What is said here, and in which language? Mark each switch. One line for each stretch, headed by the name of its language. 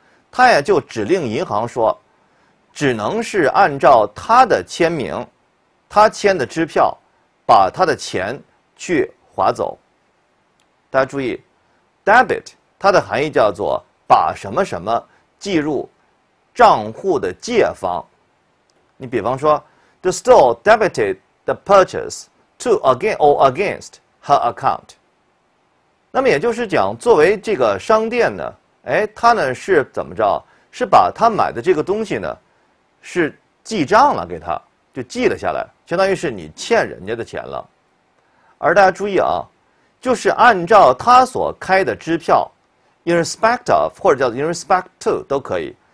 Chinese: 他也就指令银行说，只能是按照他的签名，他签的支票，把他的钱去划走。大家注意 ，debit 它的含义叫做把什么什么记入账户的借方。你比方说
English: ，the store debited the purchase to again or against her account。
Chinese: 那么也就是讲，作为这个商店呢，哎，他呢是怎么着？是把他买的这个东西呢，是记账了给他，就记了下来，相当于是你欠人家的钱了。而大家注意啊，就是按照他所开的支票 ，
English: in respect of
Chinese: 或者叫
English: in respect to
Chinese: 都可以。